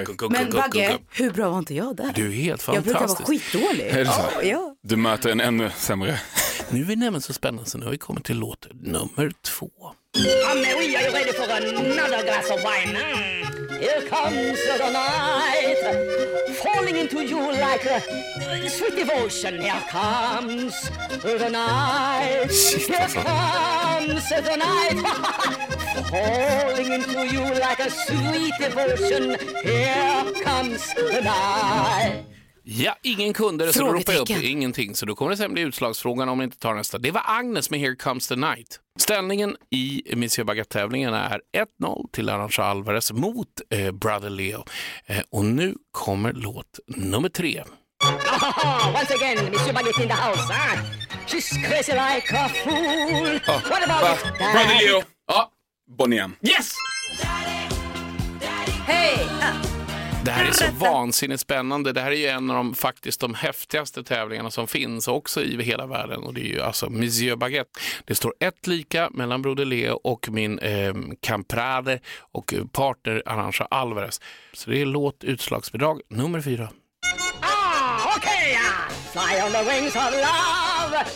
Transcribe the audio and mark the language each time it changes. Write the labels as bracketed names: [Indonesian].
[Swedish] Men Bagge, hur bra var inte jag där? Du är helt fantastisk. Jag brukar vara skitdålig. Är det så? Oh, ja. Du möter en ännu sämre. Nu är vi nämligen så spännande, så nu har vi kommit till låt nummer två. [English] Anne, we are you ready for another glass of wine? Here comes the night, falling into you like a sweet devotion. Here comes the night, here comes the night, falling into you like a sweet devotion. Here comes the night. [Swedish] Ja, ingen kunde det, så då ropar jag upp ingenting. Så då kommer det sen bli utslagsfrågan om ni inte tar nästa. Det var Agnes med Here Comes the Night. Ställningen i Monsieur Baguette-tävlingen är 1-0 till Arantxa Alvarez mot Brother Leo. Och nu kommer låt nummer tre. [English] Oh, once again, Monsieur Baguette in the house. Ah, she's crazy like a fool. Oh. What about Brother Leo? Ja, oh. Bonham. Yes! Hey! [Swedish] Det här är så vansinnigt spännande. Det här är ju en av de faktiskt de häftigaste tävlingarna som finns också i hela världen. Och det är ju alltså Monsieur Baguette. Det står ett lika mellan Broder Leo och min camprade och partner Arantxa Alvarez. Så det är låt utslagsbidrag nummer fyra. [English] Ah, okay, fly on the wings of love.